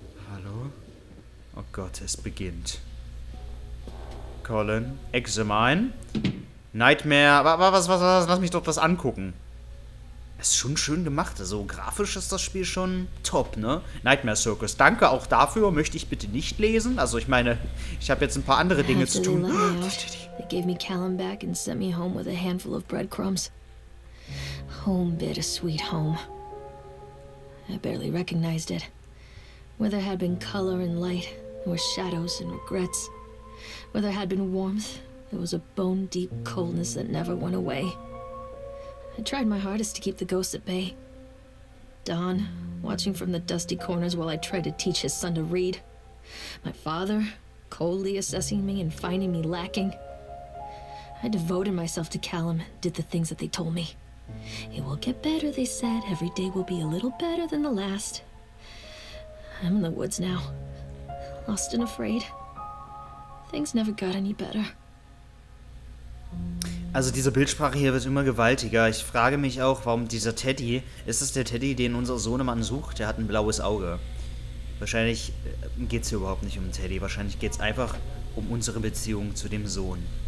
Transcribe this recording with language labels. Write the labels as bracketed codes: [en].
[de] Hallo? Oh Gott, es beginnt. Colin, Examine. Nightmare. Was? Lass mich doch das angucken. Es ist schon schön gemacht. Also grafisch ist das Spiel schon top, ne? Nightmare Circus. Danke auch dafür. Möchte ich bitte nicht lesen. Also ich meine, ich habe jetzt ein paar andere Dinge zu tun. [en] They gave me Callum back and sent me home with a handful of breadcrumbs. Home, bit of sweet home. I barely recognized it. Where there had been color and light, there were shadows and regrets. Where there had been warmth, there was a bone-deep coldness that never went away. I tried my hardest to keep the ghosts at bay. Don, watching from the dusty corners while I tried to teach his son to read. My father, coldly assessing me and finding me lacking. I devoted myself to Callum and did the things that they told me. It will get better, they said. Every day will be a little better than the last. I'm in the woods now, lost and afraid. Things never got any better. [de] Also diese Bildsprache hier wird immer gewaltiger. Ich frage mich auch, warum dieser Teddy, ist das der Teddy, den unser Sohnemann sucht? Der hat ein blaues Auge. Wahrscheinlich geht's hier überhaupt nicht um Teddy. Wahrscheinlich geht's einfach um unsere Beziehung zu dem Sohn.